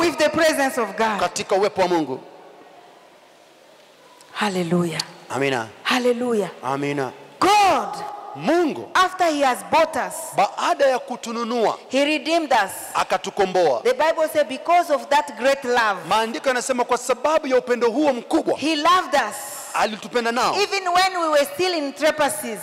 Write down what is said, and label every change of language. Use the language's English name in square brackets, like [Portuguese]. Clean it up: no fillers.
[English] With the presence of God. [Swahili] Katika uwepo wa Mungu. [English] Hallelujah. [Swahili] Amina. [English] Hallelujah. [Swahili] Amina. [English] God. [Swahili] Mungu. [English] After he has bought us. [Swahili] Baada ya kutununua. [English] He redeemed us. [Swahili] Akatukomboa. [English] The Bible says because of that great love. [Swahili] Maandiko yanasema kwa sababu ya upendo huo mkubwa. [English] He loved us. [Swahili] Alitupenda nao. [English] Even when we were still in trespasses.